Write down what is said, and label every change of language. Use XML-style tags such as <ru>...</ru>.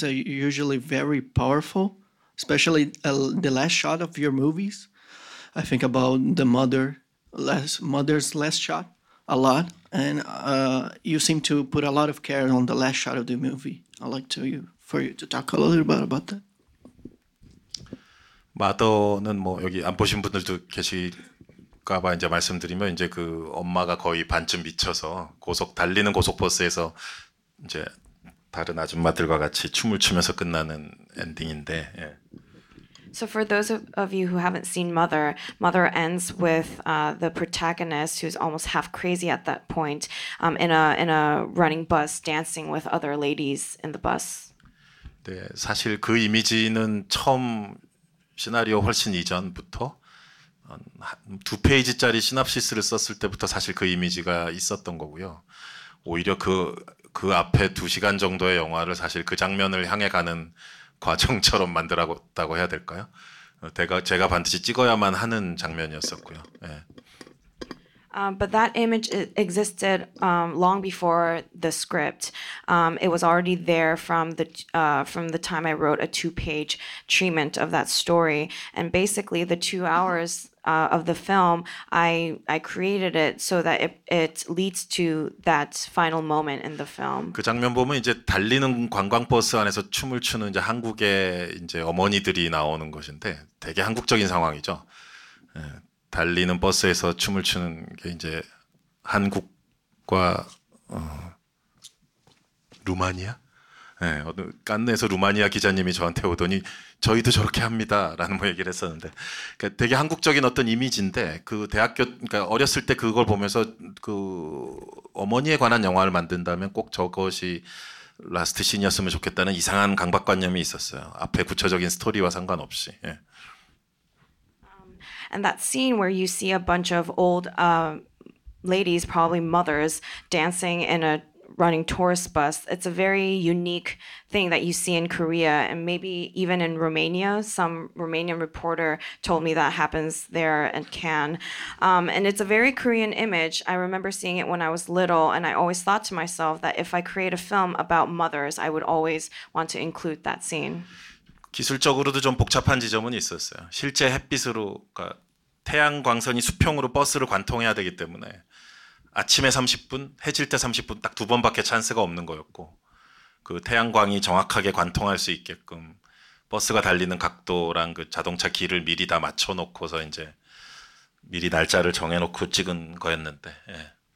<en>They're usually very powerful, especially the last shot of your movies. I think about the mother. Less mother's last shot a lot, and you seem to put a lot of care on the last shot of the movie. I'd like to you for you to talk a little bit about that.</en> <ko>Mother는 뭐 여기 안 보신 분들도 계실까봐 이제 말씀드리면 이제 그 엄마가 거의 반쯤 미쳐서 고속 달리는 고속 버스에서 이제 다른 아줌마들과 같이 춤을 추면서 끝나는 엔딩인데. 예.</ko> <en>So for those of you who haven't seen Mother, Mother ends with the protagonist, who's almost half crazy at that point, in a running bus, dancing with other ladies in the bus.</en> <ko>네, 사실 그 이미지는 처음 시나리오 훨씬 이전부터 두 페이지짜리 시놉시스를 썼을 때부터 사실 그 이미지가 있었던 거고요. 오히려 그 앞에 두 시간 정도의 영화를 사실 그 장면을 향해 가는 과정처럼 만들었다고 해야 될까요? 제가 반드시 찍어야만 하는 장면이었었고요. 예.</ko> <en>But that image existed long before the script. It was already there from the time I wrote a two-page treatment of that story. And basically, the 2 hours of the film, I created it so that it leads to that final moment in the film.</en> <ko>그 장면 보면 이제 달리는 관광버스 안에서 춤을 추는 이제 한국의 이제 어머니들이 나오는 것인데 되게 한국적인 상황이죠. 예. 달리는 버스에서 춤을 추는 게 이제 한국과 루마니아? 네, 깐느에서 루마니아 기자님이 저한테 오더니 저희도 저렇게 합니다라는 뭐 얘기를 했었는데, 그러니까 되게 한국적인 어떤 이미지인데, 그 대학교, 그러니까 어렸을 때 그걸 보면서 그 어머니에 관한 영화를 만든다면 꼭 저것이 라스트 신이었으면 좋겠다는 이상한 강박관념이 있었어요. 앞에 구체적인 스토리와 상관없이. 예.</ko> <en>And that scene where you see a bunch of old ladies, probably mothers, dancing in a running tourist bus, it's a very unique thing that you see in Korea and maybe even in Romania. Some Romanian reporter told me that happens there and can. And it's a very Korean image. I remember seeing it when I was little, and I always thought to myself that if I create a film about mothers, I would always want to include that scene.</en> <ko>기술적으로도 좀 복잡한 지점은 있었어요. 실제 햇빛으로, 그러니까 태양광선이 수평으로 버스를 관통해야 되기 때문에 아침에 30분, 해질 때 30분 딱 두 번밖에 찬스가 없는 거였고, 그 태양광이 정확하게 관통할 수 있게끔 버스가 달리는 각도랑 그 자동차 길을 미리 다 맞춰놓고서 이제 미리 날짜를 정해놓고 찍은 거였는데, 예.</ko>